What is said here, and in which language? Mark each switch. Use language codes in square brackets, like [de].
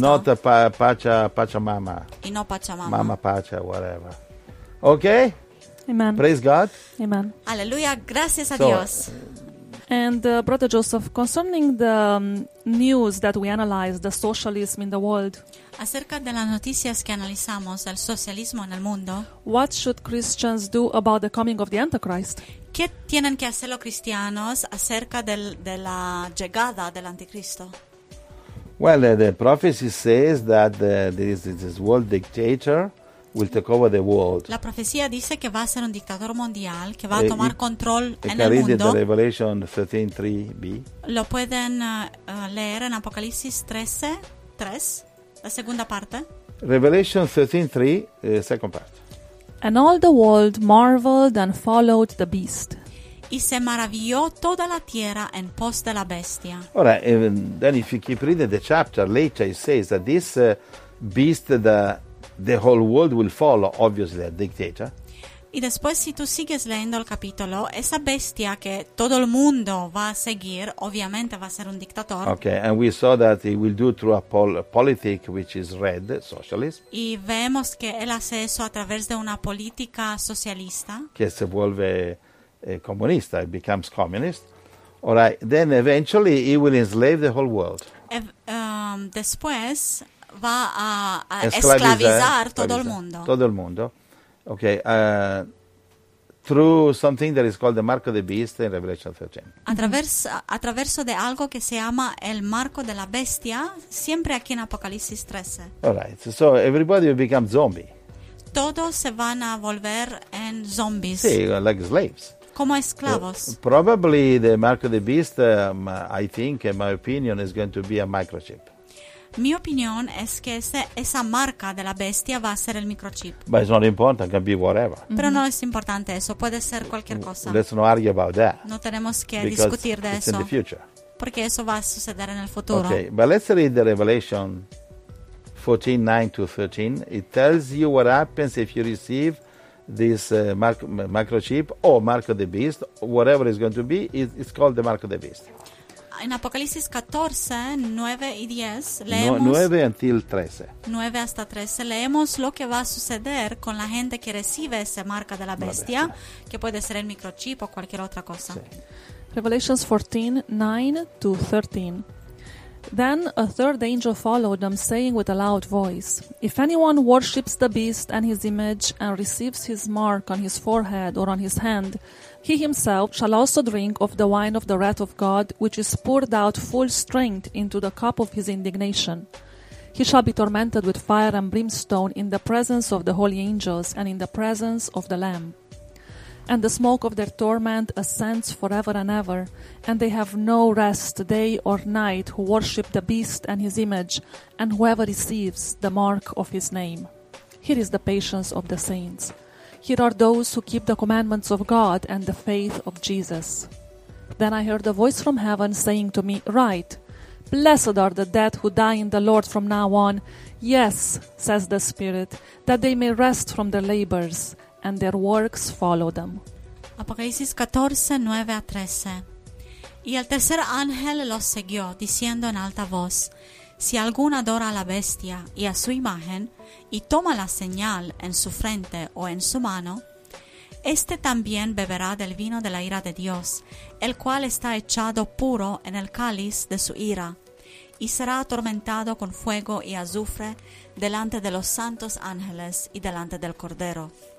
[en] Not a pacha mama. [es] Y no pacha mama. [en] Mama pacha, whatever. Okay? Amen. Praise God. Amen. [es] Aleluya, gracias a Dios. [en] And Brother Joseph, concerning the news that we analyze, the socialism in the world. [es] Acerca de las noticias que analizamos del socialismo en el mundo. [en] What should Christians do about the coming of the Antichrist? [es] ¿Qué tienen que hacer los cristianos acerca de la llegada del anticristo? [en] Well, the prophecy says that this world dictator will take over the world. [es] La profecía dice que va a ser un dictador mundial que va a tomar control en el mundo. [en] Read the Revelation 13:3b. [es] Lo pueden leer en Apocalipsis 13:3, la segunda parte. [en] Revelation 13:3, second part. And all the world marveled and followed the beast. [es] Y se maravilló toda la tierra en pos de la bestia. [en] Ora, then if you keep reading the chapter later, it says that this beast, the whole world will follow, obviously a dictator. [es] Y después, si tú sigues leyendo el capítulo, esa bestia que todo el mundo va a seguir, obviamente va a ser un dictador. [en] Okay, and we saw that he will do through a politic which is red, socialist. [es] Y vemos que él hace eso a través de una política socialista. Que se vuelve comunista, [en] it becomes communist. All right, then eventually he will enslave the whole world. [es] Después va a esclavizar todo el mundo. Todo el mundo. [en] Okay, through something that is called the Mark of the Beast in Revelation 13. [es] Attraverso de algo que se llama el marco de la bestia, siempre aquí en Apocalipsis 13. [en] All right, so everybody will become zombie. [es] Todos se van a volver en zombies. [en] Sí, like slaves. [es] Como esclavos. [en] Probably the Mark of the Beast, I think, in my opinion, is going to be a microchip. [es] Mi opinión es que esa marca de la bestia va a ser el microchip. [en] But it's not important, it can be whatever. Mm-hmm. [es] Pero no es importante eso, puede ser cualquier cosa. [en] Let's not argue about that. [es] No tenemos que [en] because [es] discutir de [en] it's [es] eso. [en] In the future. [es] Porque eso va a suceder en el futuro. [en] Okay, but let's read the Revelation 14, 9 to 13. It tells you what happens if you receive this microchip or Mark of the Beast, whatever it's going to be, it's called the Mark of the Beast. [es] En Apocalipsis 14, 9 y 10, leemos... 9 until 13. 9 hasta 13, leemos lo que va a suceder con la gente que recibe esa marca de la bestia, que puede ser el microchip o cualquier otra cosa. [en] Sí. Revelations 14, 9 to 13. Then a third angel followed them, saying with a loud voice, "If anyone worships the beast and his image and receives his mark on his forehead or on his hand, he himself shall also drink of the wine of the wrath of God, which is poured out full strength into the cup of his indignation. He shall be tormented with fire and brimstone in the presence of the holy angels and in the presence of the Lamb. And the smoke of their torment ascends forever and ever, and they have no rest day or night who worship the beast and his image, and whoever receives the mark of his name. Here is the patience of the saints. Here are those who keep the commandments of God and the faith of Jesus. Then I heard a voice from heaven saying to me, Write, blessed are the dead who die in the Lord from now on. Yes, says the Spirit, that they may rest from their labors, and their works follow them. [es] Apocalipsis 14, 9 a 13. Y el tercer ángel los siguió, diciendo en alta voz, Si alguno adora a la bestia y a su imagen, y toma la señal en su frente o en su mano, este también beberá del vino de la ira de Dios, el cual está echado puro en el cáliz de su ira, y será atormentado con fuego y azufre delante de los santos ángeles y delante del Cordero.